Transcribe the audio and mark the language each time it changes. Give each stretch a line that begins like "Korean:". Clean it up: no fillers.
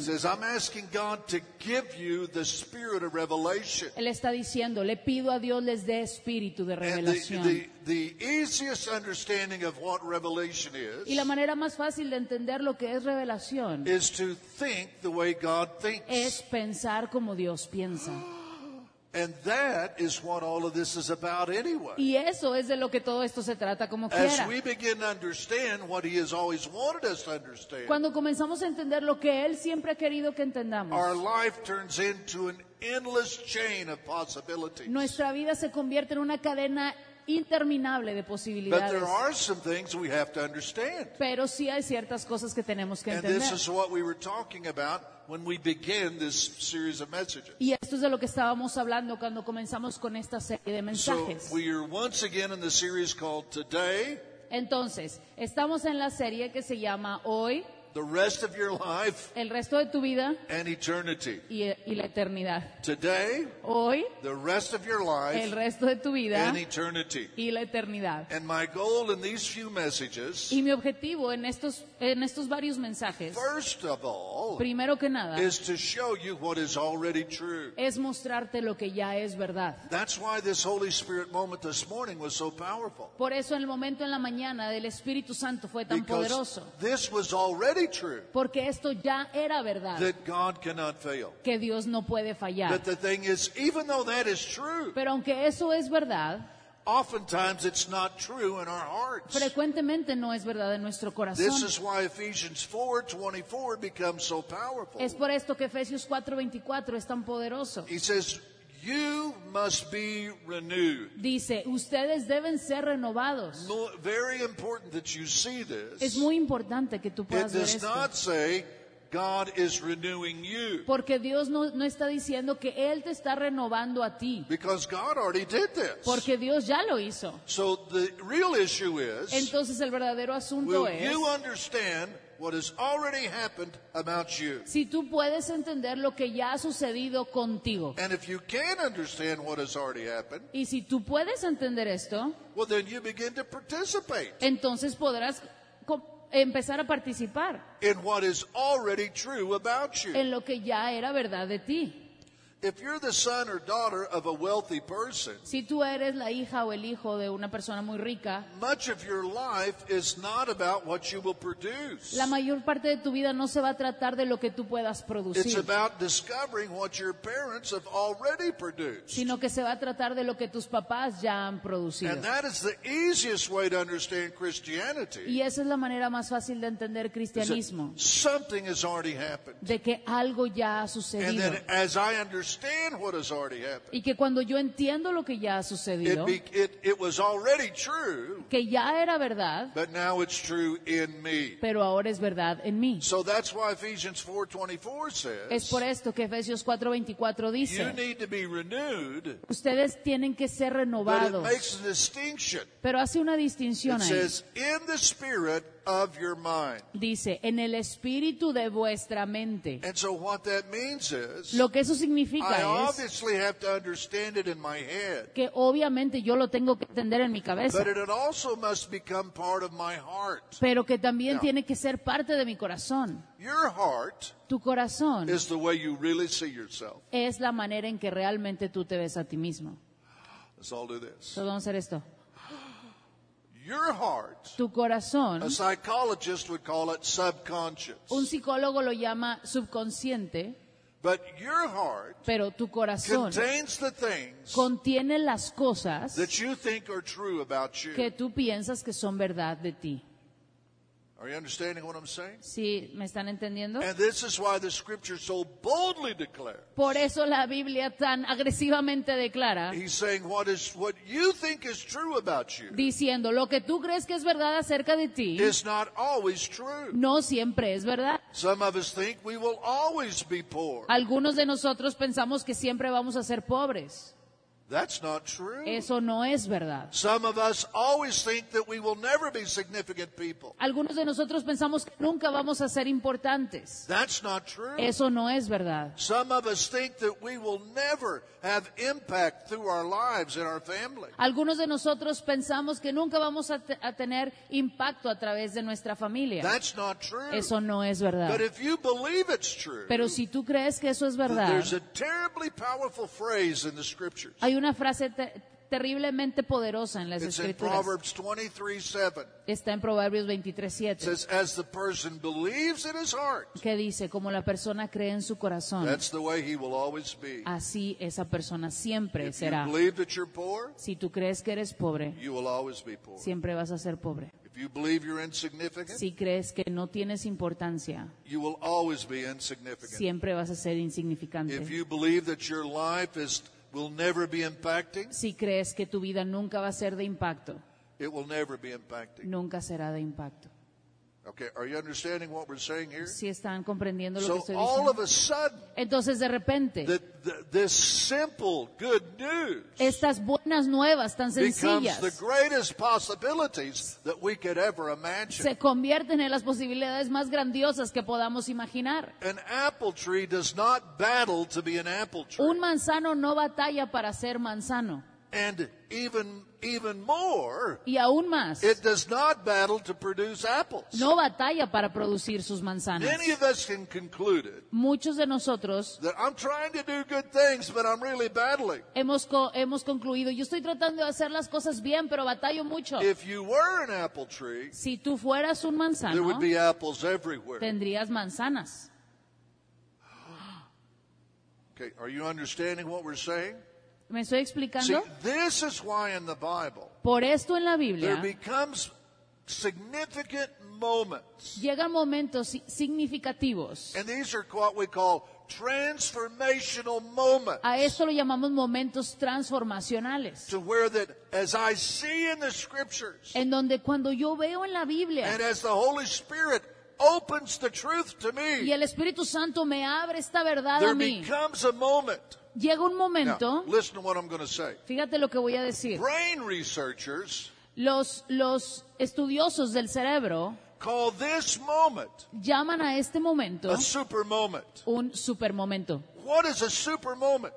English: Says, I'm asking God to give you the spirit of revelation.
Spanish: Él está diciendo, le pido a Dios les dé espíritu de revelación.
English: And the easiest understanding of what revelation is,
Spanish: y la manera más fácil de entender lo que es revelación
English: is to think the way God thinks.
Spanish: Es pensar como Dios piensa.
English: And that is what all of this is about anyway.
Spanish: Y eso es de lo que todo esto se trata como quiera.
English: As we begin to understand what he has always wanted us to understand.
Spanish: Cuando comenzamos a entender lo que él siempre ha querido que entendamos.
English: Our life turns into an endless chain of possibilities.
Spanish: Nuestra vida se convierte en una cadena interminable de posibilidades.
English: But there are some things we have to understand.
Spanish: Pero sí hay ciertas cosas que tenemos que entender.
English: And this is what we were talking about. When we begin this series of messages.
Spanish: Y esto es de lo que estábamos hablando cuando comenzamos con esta serie de mensajes.
English: So we are once again in the series called Today.
Spanish: Entonces, estamos en la serie que se llama Hoy.
English: The rest of your life.
Spanish: El resto de tu vida.
English: And eternity.
Spanish: Y la eternidad.
English: Today.
Spanish: Hoy.
English: The rest of your life.
Spanish: El resto de tu vida.
English: And eternity.
Spanish: Y la eternidad.
English: And my goal in these few messages.
Spanish: Y mi objetivo en estos varios mensajes.
English: First of all.
Spanish: Primero que nada.
English: Is to show you what is already true.
Spanish: Es mostrarte lo que ya es verdad.
English: That's why this Holy Spirit moment this morning was so powerful.
Spanish: Por eso el momento en la mañana del Espíritu Santo fue tan
English: because
Spanish: poderoso.
English: This was already true.
Spanish: Porque esto ya era verdad.
English: That God cannot fail.
Spanish: Que Dios no puede fallar.
English: But the thing is, even though that is true.
Spanish: Pero aunque eso es verdad.
English: Oftentimes it's not true in our hearts.
Spanish: Frecuentemente no es verdad en nuestro corazón.
English: This is why Ephesians 4:24 becomes so powerful.
Spanish: Es por esto que Efesios 4:24 es tan poderoso.
English: He says, you must be renewed.
Spanish: Dice, ustedes deben ser renovados.
English: Very important that you see this.
Spanish: Es muy importante que tú puedas ver esto.
English: It does not say, God is renewing you.
Spanish: Porque Dios no está diciendo que Él te está renovando a ti.
English: Because God already did this.
Spanish: Porque Dios ya lo hizo.
English: So the real issue is,
Spanish: entonces el verdadero asunto es,
English: you understand what has already happened about you.
Spanish: Si tú puedes entender lo que ya ha sucedido contigo.
English: And if you can understand what has already happened.
Spanish: Y si tú puedes entender esto.
English: Well, then you begin to participate.
Spanish: Entonces podrás empezar a participar.
English: In what is already true about you.
Spanish: En lo que ya era verdad de ti.
English: If you're the son or daughter of a wealthy person,
Spanish: si tú eres la hija o el hijo de una persona muy rica,
English: much of your life is not about what you will produce.
Spanish: La mayor parte de tu vida no se va a tratar de lo que tú puedas producir.
English: It's about discovering what your parents have already produced.
Spanish: Sino que se va a tratar de lo que tus papás ya han producido.
English: And that is the easiest way to understand Christianity.
Spanish: Y esa es la manera más fácil de entender cristianismo.
English: Something has already happened.
Spanish: De que algo ya ha sucedido.
English: And then, as I understand what has already happened.
Spanish: Y que cuando yo entiendo lo que ya ha sucedido,
English: it was already true,
Spanish: que ya era verdad,
English: but now it's true in me.
Spanish: Pero ahora es verdad en mí.
English: So that's why Ephesians 4:24 says,
Spanish: es por esto que Efesios 4:24 dice,
English: you need to be renewed,
Spanish: ustedes tienen que ser renovados.
English: But it makes a distinction.
Spanish: Pero hace una distinción ahí.
English: It says, in the spirit of your mind.
Spanish: Dice, en el espíritu de vuestra mente.
English: And so what that means is,
Spanish: lo que eso significa
English: I obviously have to understand it in my head.
Spanish: Que obviamente yo lo tengo que entender en mi cabeza.
English: But it also must become part of my heart.
Spanish: Pero que también tiene que ser parte de mi corazón.
English: Your heart,
Spanish: tu corazón,
English: is the way you really see yourself.
Spanish: Es la manera en que realmente tú te ves a ti mismo.
English: Let's all do this.
Spanish: Todos vamos a hacer esto.
English: Your heart,
Spanish: tu corazón,
English: a psychologist would call it subconscious.
Spanish: Un psicólogo lo llama subconsciente.
English: But your heart,
Spanish: pero tu corazón,
English: contains the things,
Spanish: contiene las cosas,
English: that you think are true about you.
Spanish: Que tú piensas que son verdad de ti.
English: Are you understanding what I'm saying?
Spanish: ¿Sí, me están entendiendo?
English: And this is why the scripture so boldly declares.
Spanish: Por eso la Biblia tan agresivamente declara.
English: He's saying what you think is true about you.
Spanish: Diciendo lo que tú crees que es verdad acerca de ti.
English: Is not always true.
Spanish: No siempre es verdad.
English: Some of us think we will always be poor.
Spanish: Algunos de nosotros pensamos que siempre vamos a ser pobres.
English: That's not true.
Spanish: Eso no es verdad.
English: Some of us always think that we will never be significant people.
Spanish: Algunos de nosotros pensamos que nunca vamos a ser importantes.
English: That's not true.
Spanish: Eso no es verdad.
English: Some of us think that we will never have impact through our lives and our family.
Spanish: Algunos de nosotros pensamos que nunca vamos a tener impacto a través de nuestra familia.
English: That's not true.
Spanish: Eso no es verdad.
English: But if you believe it's true,
Spanish: pero si tú crees que eso es verdad,
English: there's a terribly powerful phrase in the scriptures.
Spanish: Hay una frase terriblemente poderosa en las Escrituras.
English: It's in Proverbs 23:7.
Spanish: Está en Proverbios 23:7.
English: Says, as the person believes in his heart.
Spanish: Que dice, como la persona cree en su corazón.
English: That's the way he will always be.
Spanish: Así esa persona siempre
English: if
Spanish: será.
English: You believe that you're poor,
Spanish: si tú crees que eres pobre,
English: you will always be poor.
Spanish: Siempre vas a ser pobre.
English: If you believe you're insignificant,
Spanish: si crees que no tienes importancia,
English: you will always be insignificant.
Spanish: Siempre vas a ser insignificante.
English: If you believe that your life is will never be impacting.
Spanish: Si crees que tu vida nunca va a ser de impacto.
English: It will never be impacting.
Spanish: Nunca será de impacto.
English: Okay, are you understanding what we're saying here?
Spanish: Si están comprendiendo lo
English: so
Spanish: que estoy
English: all
Spanish: diciendo.
English: Of a sudden,
Spanish: entonces de repente.
English: This simple good news.
Spanish: Estas buenas nuevas tan sencillas.
English: Becomes the greatest possibilities that we could ever imagine.
Spanish: Se convierten en las posibilidades más grandiosas que podamos imaginar.
English: An apple tree does not battle to be an apple tree.
Spanish: Un manzano no batalla para ser manzano.
English: And even more,
Spanish: y aún más,
English: it does not battle to produce apples.
Spanish: No batalla para producir sus manzanas.
English: Many of us can conclude
Spanish: muchos de nosotros
English: that I'm trying to do good things, but I'm really battling.
Spanish: Hemos concluido, yo estoy tratando de hacer las cosas bien, pero batallo mucho.
English: If you were an apple tree,
Spanish: si tú fueras un manzano,
English: there would be apples everywhere.
Spanish: Tendrías manzanas.
English: Okay, are you understanding what we're saying?
Spanish: ¿Me estoy explicando?
English: See, this is why in the Bible,
Spanish: por esto en la Biblia,
English: there becomes significant moments,
Spanish: llegan momentos significativos.
English: And these are what we call transformational moments.
Spanish: A esto lo llamamos momentos transformacionales.
English: To where that as I see in the scriptures,
Spanish: en donde cuando yo veo en la Biblia,
English: and as the Holy Spirit opens the truth to me.
Spanish: Y el Espíritu Santo me abre esta verdad a mí.
English: There becomes a moment.
Spanish: Llega un momento.
English: Now, listen to what I'm going to say.
Spanish: Fíjate lo que voy a decir.
English: Brain researchers.
Spanish: Los estudiosos del cerebro.
English: Call this moment.
Spanish: Llaman a este momento.
English: A super moment.
Spanish: Un super momento.
English: What is a super moment?